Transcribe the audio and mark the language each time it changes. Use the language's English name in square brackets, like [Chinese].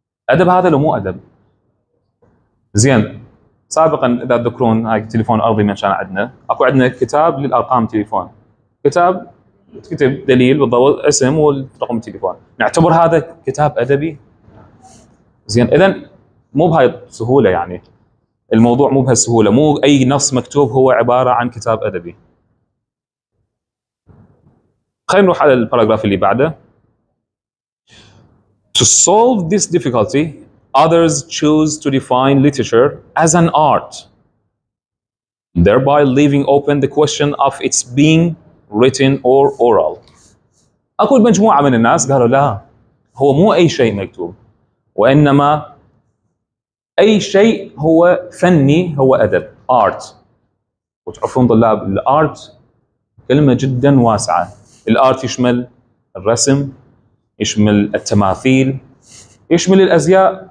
[Arabic] أدب هذا لو مو أدب؟ زين سابقا إذا تذكرون هاي تليفون أرضي من شان عندنا، أكو عندنا كتاب للأرقام تليفون، كتاب تكتب دليل بالضبط اسم ورقم التليفون، نعتبر هذا كتاب أدبي؟ زين إذن مو بهاي السهولة، يعني الموضوع مو بهالسهولة، مو أي نص مكتوب هو عبارة عن كتاب أدبي. خلينا نروح على الباراجراف اللي بعده. [English] To solve this difficulty, others choose to define literature as an art, thereby leaving open the question of its being written or oral. [Arabic] أكو مجموعة من الناس قالوا لا هو مو أي شيء مكتوب وإنما أي شيء هو فني هو أدب art. وتعرفون طلاب الارت كلمة جدا واسعة. الارت يشمل الرسم، يشمل التماثيل، يشمل الأزياء.